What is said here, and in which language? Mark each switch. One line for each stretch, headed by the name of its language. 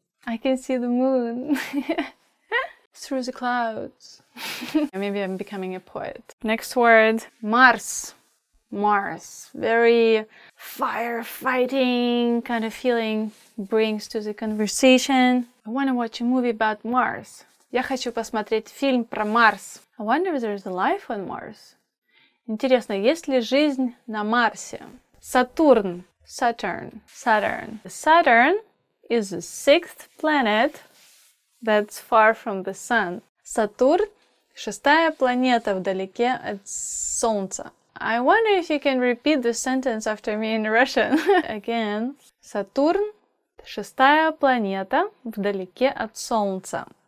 English: I can see the moon through the clouds. Maybe I'm becoming a poet. Next word, Mars. Mars, very firefighting kind of feeling brings to the conversation. I want to watch a movie about Mars.
Russian: Я хочу посмотреть фильм про Марс.
English: I wonder if there's a life on Mars.
Russian: Интересно, есть ли жизнь на Марсе? Сатурн.
English: Saturn. Saturn. Saturn is the sixth planet that's far from the sun.
Russian: Сатурн – шестая планета вдалеке от Солнца.
English: I wonder if you can repeat the sentence after me in Russian.
Russian: Again. Сатурн – шестая планета вдалеке от Солнца.